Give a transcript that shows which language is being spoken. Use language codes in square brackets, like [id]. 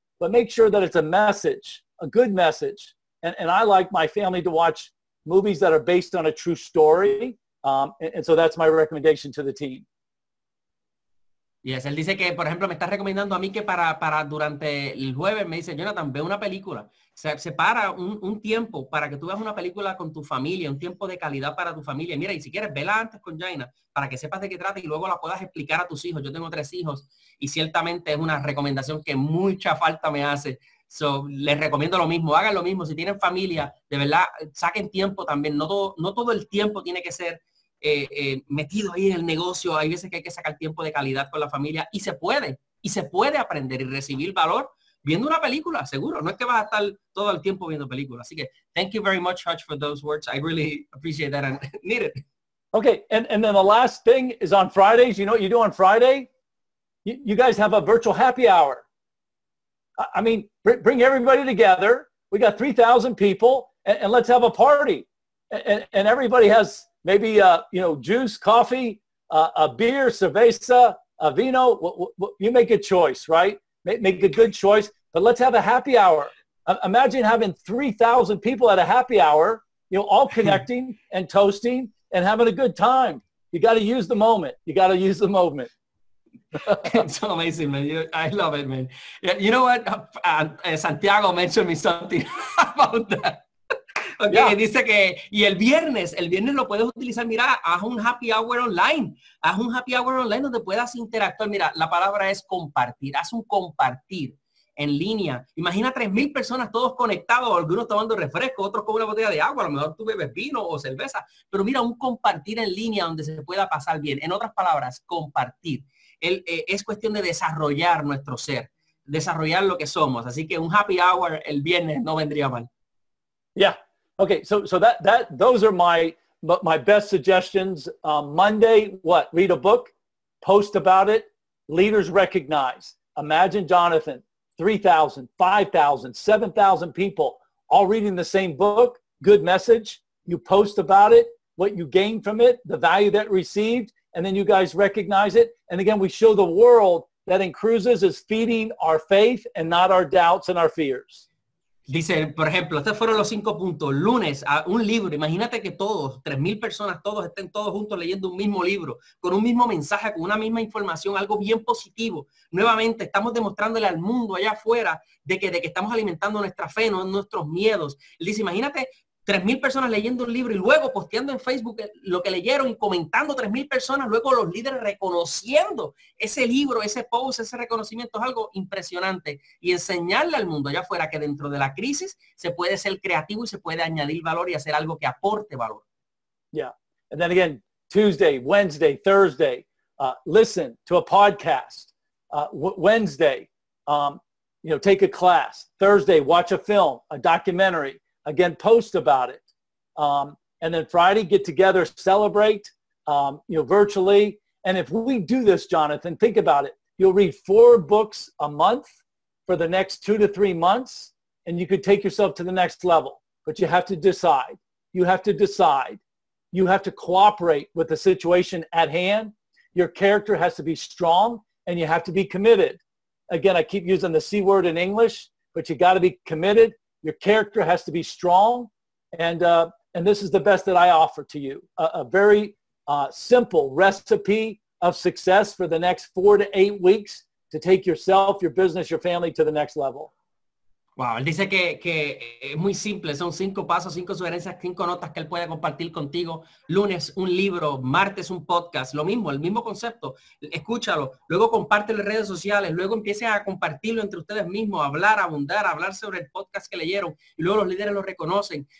[en] But make sure that it's a message, a good message. And I like my family to watch movies that are based on a true story. And so that's my recommendation to the team. [es] Yes, él dice que, por ejemplo, me está recomendando a mí que para durante el jueves, me dice, Jonathan, ve una película. Separa un tiempo para que tú veas una película con tu familia, un tiempo de calidad para tu familia. Mira, y si quieres, vela antes con Jaina para que sepas de qué trata y luego la puedas explicar a tus hijos. Yo tengo tres hijos y ciertamente es una recomendación que mucha falta me hace. So, les recomiendo lo mismo, hagan lo mismo. Si tienen familia, de verdad, saquen tiempo también. No todo el tiempo tiene que ser metido ahí en el negocio. Hay veces que hay que sacar tiempo de calidad con la familia. Y se puede aprender y recibir valor viendo una película, seguro. No es que vas a estar todo el tiempo viendo películas. Así que, [en] thank you very much, Hutch, for those words. I really appreciate that and need it. Okay, and then the last thing is on Fridays. You know what you do on Friday? You guys have a virtual happy hour. I mean, bring everybody together. We got 3,000 people, and let's have a party. And everybody has maybe juice, coffee, a beer, cerveza, a vino. You make a choice, right? Make a good choice. But let's have a happy hour. Imagine having 3,000 people at a happy hour, you know, all connecting and toasting and having a good time. You got to use the moment. You got to use the moment. It's so amazing, man. I love it, man. You know what? Santiago mentioned me something about that. Okay, yeah. [es] Dice que, y el viernes lo puedes utilizar, mira, haz un happy hour online donde puedas interactuar. Mira, la palabra es compartir, haz un compartir en línea. Imagina 3,000 personas todos conectados, algunos tomando refresco, otros con una botella de agua, a lo mejor tú bebes vino o cerveza, pero mira, un compartir en línea donde se pueda pasar bien. En otras palabras, compartir. Es cuestión de desarrollar nuestro ser, desarrollar lo que somos. Así que un happy hour el viernes no vendría mal. [en] Yeah. Okay. So that those are my best suggestions. Monday, what? Read a book, post about it. Leaders recognize. Imagine, Jonathan, 3,000, 5,000, 7,000 people all reading the same book, good message. You post about it, what you gain from it, the value that received, and then you guys recognize it. And again, we show the world that in cruises is feeding our faith and not our doubts and our fears. [es] Dice, por ejemplo, estos fueron los 5 puntos. Lunes, un libro. Imagínate que todos, 3,000 personas, todos estén todos juntos leyendo un mismo libro, con un mismo mensaje, con una misma información, algo bien positivo. Nuevamente, estamos demostrándole al mundo allá afuera de que estamos alimentando nuestra fe, no nuestros miedos. Él dice, imagínate 3,000 personas leyendo un libro y luego posteando en Facebook lo que leyeron y comentando 3,000 personas, luego los líderes reconociendo ese libro, ese post, ese reconocimiento, es algo impresionante. Y enseñarle al mundo allá afuera que dentro de la crisis se puede ser creativo y se puede añadir valor y hacer algo que aporte valor. [en] Yeah. And then again, Tuesday, Wednesday, Thursday, listen to a podcast. Wednesday, take a class. Thursday, watch a film, a documentary. Again, post about it. And then Friday, get together, celebrate, virtually. And if we do this, Jonathan, think about it. You'll read 4 books a month for the next 2 to 3 months, and you could take yourself to the next level. But you have to decide. You have to decide. You have to cooperate with the situation at hand. Your character has to be strong, and you have to be committed. Again, I keep using the C word in English, but you got to be committed. Your character has to be strong, and this is the best that I offer to you. A very simple recipe of success for the next 4 to 8 weeks to take yourself, your business, your family to the next level. [es] Wow, él dice que es muy simple, son 5 pasos, 5 sugerencias, 5 notas que él puede compartir contigo. Lunes, un libro; martes, un podcast, lo mismo, el mismo concepto. Escúchalo, luego compártelo en redes sociales, luego empiece a compartirlo entre ustedes mismos, hablar sobre el podcast que leyeron, y luego los líderes lo reconocen.